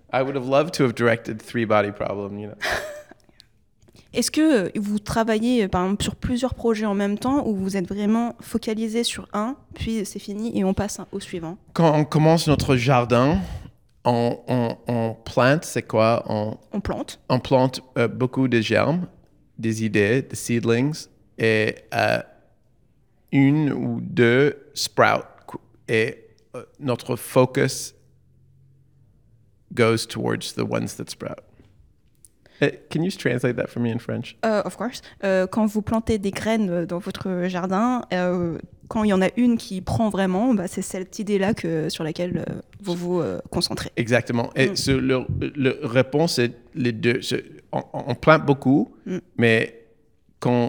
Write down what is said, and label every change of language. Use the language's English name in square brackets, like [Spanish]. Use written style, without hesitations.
[English] I would have loved to have directed Three Body Problem, you know. [French] Est-ce que vous travaillez par exemple sur plusieurs projets en même temps ou vous êtes vraiment focalisé sur un, puis c'est fini et on passe au suivant? Quand on commence notre jardin, on plante, c'est quoi? On plante. On plante beaucoup de germes, des idées, des seedlings et une ou deux sprouts. Et notre focus [English] goes towards the ones that sprout. Can you translate that for me in French? Of course. [French] Quand vous plantez des graines dans votre jardin, quand il y en a une qui prend vraiment, bah, c'est cette idée-là que, sur laquelle vous vous concentrez. Exactement. Mm. Et so, le réponse est les deux. So, on plante beaucoup, mais quand...